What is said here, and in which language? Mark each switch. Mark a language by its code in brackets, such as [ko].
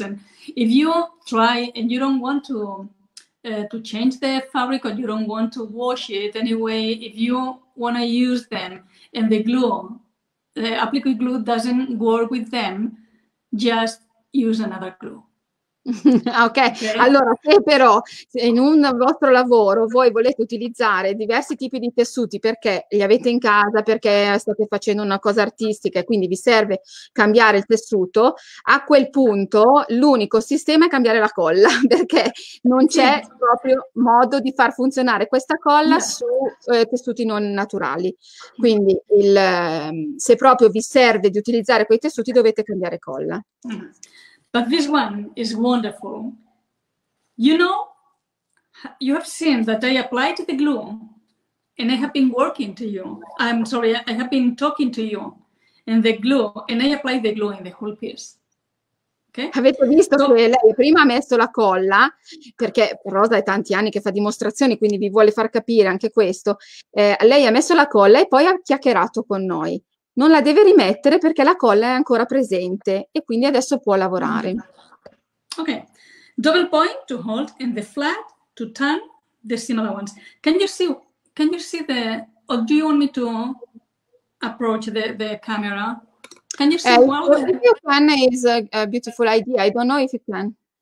[en] And if you try and you don't want to change the fabric, or you don't want to wash it anyway, if you want to use them and the glue, the applique glue doesn't work with them, just use another glue. Okay. [it] Allora, se però in un vostro lavoro voi volete utilizzare diversi tipi di tessuti perché li avete in casa, perché state facendo una cosa artistica e quindi vi serve cambiare il tessuto, a quel punto l'unico sistema è cambiare la colla, perché non c'è proprio modo di far funzionare questa colla su tessuti non naturali. Quindi se proprio vi serve di utilizzare quei tessuti, dovete cambiare colla. [en] But this one is wonderful. You know, you have seen that I applied the glue and I have been working to you. I'm sorry, I have been talking to you and the glue, and I applied the glue in the whole piece. Okay? [it] Avete visto che lei prima ha messo la colla, perché Rosa è tanti anni che fa dimostrazioni, quindi vi vuole far capire anche questo. Lei ha messo la colla e poi ha chiacchierato con noi. Non la deve rimettere perché la colla è ancora presente e quindi adesso può lavorare. Ok. [en] Double point to hold and the flat to turn the similar ones. Can you see the... Or do you want me to approach the camera? Can you see one of the... Your pen is a beautiful idea. I don't know if you can.